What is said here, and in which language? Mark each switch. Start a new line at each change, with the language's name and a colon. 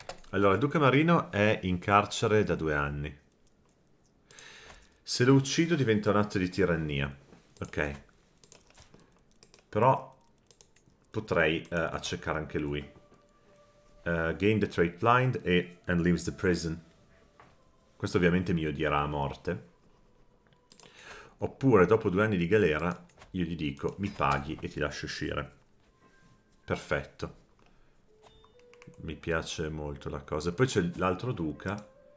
Italian: Allora, Duca Marino è in carcere da 2 anni. Se lo uccido diventa un atto di tirannia. Ok. Però potrei accecare anche lui.
English: Gain the trait blind e and leaves the prison.
Italian: Questo ovviamente mi odierà a morte. Oppure, dopo 2 anni di galera, io gli dico, mi paghi e ti lascio uscire. Perfetto. Mi piace molto la cosa. Poi c'è l'altro duca.